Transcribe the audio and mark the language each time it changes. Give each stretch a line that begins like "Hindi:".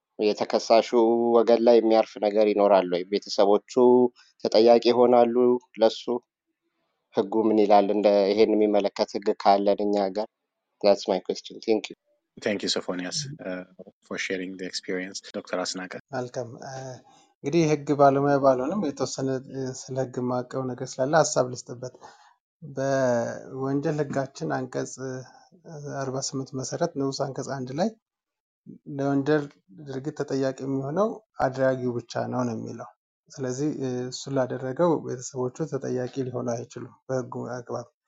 Amharic: የተከሳሹ ወገን ላይ የሚያርፍ ነገር ይኖራል ወይ? ቤተሰቦቹ ተጠያቂ ይሆናሉ ለሱ? ህጉ ምን ይላል? እንደ ይሄን የሚመለከት ህግ ካለን እኛ ጋር?
English: That's my question. Thank you. Thank you, Sophonias, for sharing the experience. Dr. Asnaka. Welcome.
Amharic: እንግዲህ ህግ ባለሙያ ባልሆንም የተወሰነ ስለ ህግ ማቀው ነገር ስላለ ሀሳብ ልስጥበት። በወንጀል ህጋችን አንቀጽ 48 መሰረት ንዑስ አንቀጽ 1 ላይ ለወንጀል ድርጊት ተጠያቂ የሚሆነው አድራጊው ብቻ ነው የሚለው። ስለዚህ እሱ ላደረገው ቤተሰቦቹ ተጠያቂ ሊሆኑ አይችሉም በህጉ አግባብ።